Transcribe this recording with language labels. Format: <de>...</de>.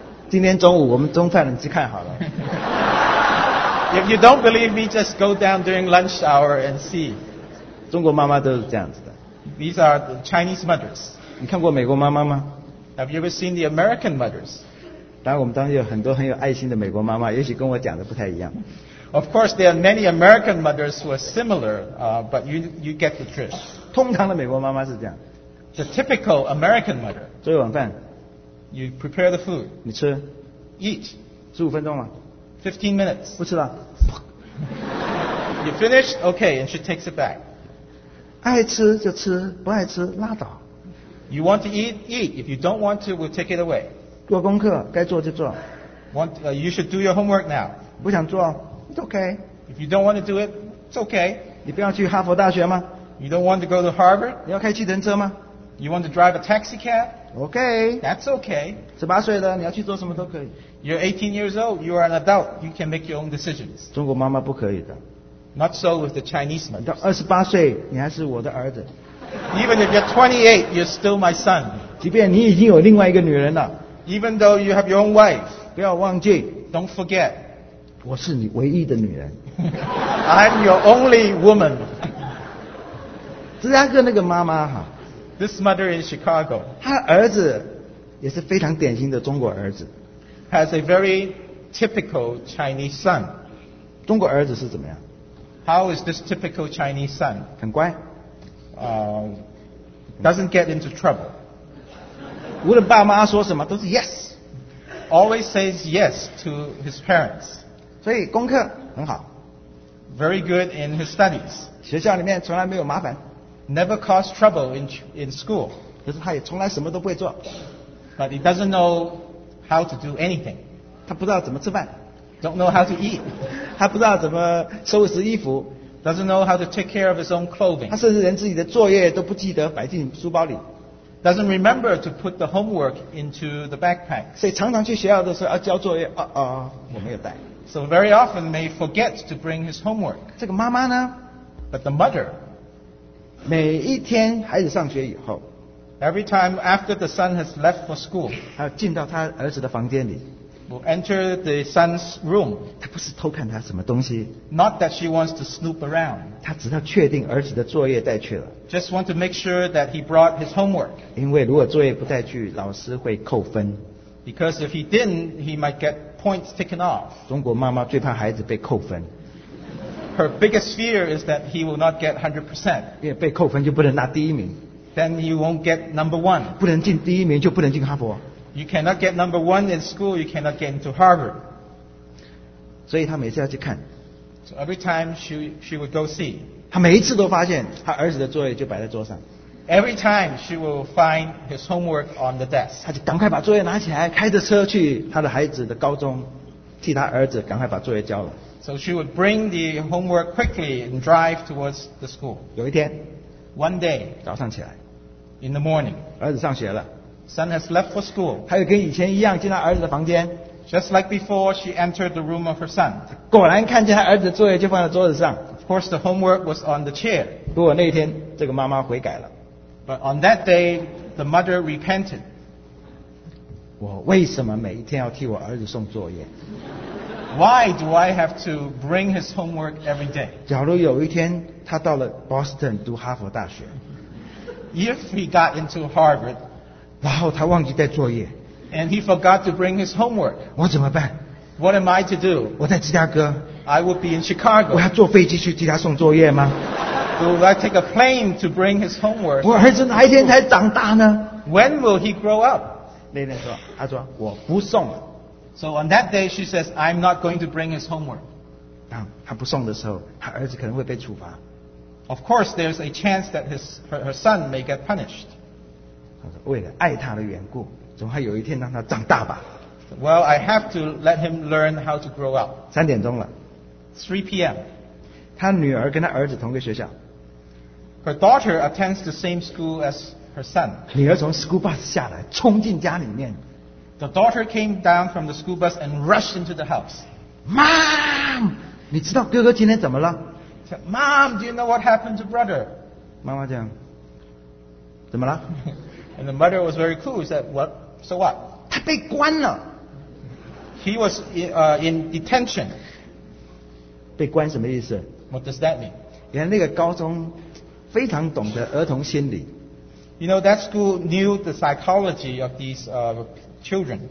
<zh>今天中午我们中饭人去看好了。</zh> <en>If you don't believe me, just go down during lunch hour and see.</en> <zh>中国妈妈都是这样子的。</zh> <en>These are the Chinese mothers.</en> <zh>你看过美国妈妈吗？</zh> <en>Have you ever seen the American mothers?</en> <zh>当然我们当时有很多很有爱心的美国妈妈，也许跟我讲的不太一样。</zh> <en>Of course, there are many American mothers who are similar, but you get the drift.</en> <zh>通常的美国妈妈是这样。</zh> <en>The typical American mother.</en> <zh>做一碗饭。</zh> <en>You prepare the food.</en> <zh>你吃。</zh> <en>Eat.</en> <zh>十五分钟吗？</zh> <en>15 minutes.</en> <zh>不吃了。</zh> <en>You finish, okay, and she takes it back.</en> <zh>爱吃就吃，不爱吃拉倒。</zh> <en>You want to eat, eat. If you don't want to, we'll take it away.</en> <zh>做功课，该做就做。</zh> <en>You should do your homework now.</en> <zh>不想做，</zh> <en>It's okay. If you don't want to do it, it's okay.</en> <zh>你不要去哈佛大学吗</zh> <en>？You don't want to go to Harvard?</en> <zh>你要开计程车吗</zh> <en>？You want to drive a taxi cab? Okay. That's okay.</en> <zh>十八岁了，你要去做什么都可以。</zh> <en>You're 18 years old. You are an adult. You can make your own decisions.</en> <zh>中国妈妈不可以的。</zh> <en>Not so with the Chinese mothers.</en> <zh>到二十八岁，你还是我的儿子。</zh> <en>Even if you're 28, you're still my son.</en> <zh>即便你已经有另外一个女人了。</zh> <en>Even though you have your own wife.</en> <zh>不要忘记。</zh> <en>Don't forget.</en> <zh>我是你唯一的女人。</zh> <en>I'm your only woman.</en> <zh>芝加哥那个妈妈哈。</zh> <en>This mother in Chicago.</en> <zh>她儿子也是非常典型的中国儿子。</zh> <en>Has a very typical Chinese son.</en> <zh>中国儿子是怎么样？</zh> <en>How is this typical Chinese son?</en> <zh>很乖。</zh> <en>Doesn't get into trouble.</en> <zh>无论爸妈说什么都是 yes.</zh> <en>Always says yes to his parents.</en> <zh>所以功课很好。</zh> <en>Very good in his studies.</en> <zh>学校里面从来没有麻烦。</zh> <en>Never caused trouble in school.</en> <zh>可是他也从来什么都不会做。</zh> <en>But he doesn't know how to do anything.</en> <zh>他不知道怎么吃饭。</zh> <en>Don't know how to eat.</en> <zh>他不知道怎么收拾衣服。</zh> <en>Doesn't know how to take care of his own clothing.</en> <zh>他甚至连自己的作业都不记得摆进书包里。</zh> <en>Doesn't remember to put the homework into the backpack.</en> <zh>所以常常去学校的时候要交作业，我没有带。</zh> <en>So very often may forget to bring his homework.</en> <zh>这个妈妈呢？</zh> <en>But the mother.</en> <zh>每一天孩子上学以后。</zh> <en>Every time after the son has left for school,</en> <zh>他进到他儿子的房间里。</zh> <en>Will enter the son's room.</en> <zh>他不是偷看他什么东西。</zh> <en>Not that she wants to snoop around.</en> <zh>他只要确定儿子的作业带去了。</zh> <en>Just want to make sure that he brought his homework.</en> <zh>因为如果作业不带去，老师会扣分。</zh> <en>Because if he didn't, he might get points taken off.</en> <zh>中国妈妈最怕孩子被扣分。</zh> <en>Her biggest fear is that he will not get 100%.</en> <zh>因为被扣分就不能拿第一名。</zh> <en>Then you won't get number one.</en> <zh>不能进第一名就不能进哈佛。</zh> <en>You cannot get number one in school, you cannot get into Harvard.</en> <zh>所以他每次要去看。</zh> <en>So every time she would go see.</en> <zh>他每一次都发现他儿子的作业就摆在桌上。</zh> <en>Every time she will find his homework on the desk.</en> <zh>他就赶快把作业拿起来，开着车去他的孩子的高中，替他儿子赶快把作业交了。</zh> <en>So she would bring the homework quickly and drive towards the school.</en> <zh>有一天。</zh> <en>One day,</en> <zh>早上起来</zh> <en>in the morning,</en> <zh>儿子上学了</zh> <en>son has left for school.</en> <zh>他又跟以前一样进到儿子的房间</zh> <en>just like before, she entered the room of her son.</en> <zh>果然看见他儿子的作业就放在桌子上</zh> <en>of course, the homework was on the chair.</en> <zh>不过那天这个妈妈悔改了</zh> <en>but on that day, the mother repented.</en> <zh>我为什么每一天要替我儿子送作业？</zh> <en>Why do I have to bring his homework every day?</en> <zh>假如有一天他到了 Boston 读哈佛大学</zh> <en>If he got into Harvard</en> <zh>然后他忘记带作业</zh> <en>And he forgot to bring his homework</en> <zh>我怎么办？</zh> <en>What am I to do?</en> <zh>我在芝加哥</zh> <en>I would be in Chicago</en> <zh>我要坐飞机去替他送作业吗？</zh> <en>Do I take a plane to bring his homework?</en> <zh>我儿子哪一天才长大呢？</zh> <en>When will he grow up?</en> <zh>那天说他说我不送了。</zh> <en>So on that day, she says, I'm not going to bring his homework.</en> <zh>当他不送的时候，他儿子可能会被处罚。</zh> <en>Of course, there's a chance that her son may get punished.</en> <zh>他说，为了爱他的缘故，总还有一天让他长大吧。</zh> <en>Well, I have to let him learn how to grow up.</en> <zh>三点钟了。</zh> <en>3 p.m.</en> <zh>他女儿跟他儿子同个学校。</zh> <en>Her daughter attends the same school as her son.</en> <zh>女儿从 school bus 下来，冲进家里面。</zh> <en>The daughter came down from the school bus and rushed into the house.</en> <zh>Mom, 你知道哥哥今天怎么了？</zh> <en>Said, Mom, do you know what happened to brother?</en> <zh>妈妈讲，怎么了？</zh> <en>And the mother was very cool. He said, "What? So what?"</en> <zh>他被关了.</zh> <en>He was in detention.</en> <zh>被关什么意思?</zh> <en>What does that mean?</en> <zh>原来那个高中非常懂得儿童心理.</zh> <en>You know, that school knew the psychology of these children.</en>